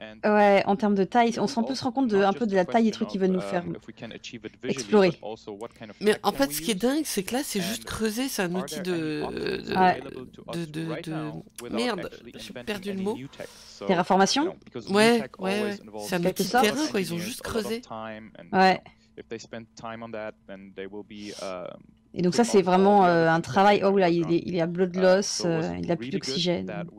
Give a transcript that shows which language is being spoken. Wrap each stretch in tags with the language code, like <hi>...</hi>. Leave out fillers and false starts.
<fr>Ouais, en termes de taille, on se rend compte de la taille des trucs qu'ils veulent nous faire explorer. Mais en fait, ce qui est dingue, c'est que là, c'est juste creuser, c'est un outil de merde, j'ai perdu le mot. Terraformation? Ouais, c'est un outil de terrain, quoi, ils ont juste creusé. Ouais.</fr> <en>If they spend time on that, then they will be</en> <fr>Et donc ça, c'est vraiment un travail. Oh là, il y a blood loss, il n'a plus d'oxygène.</fr>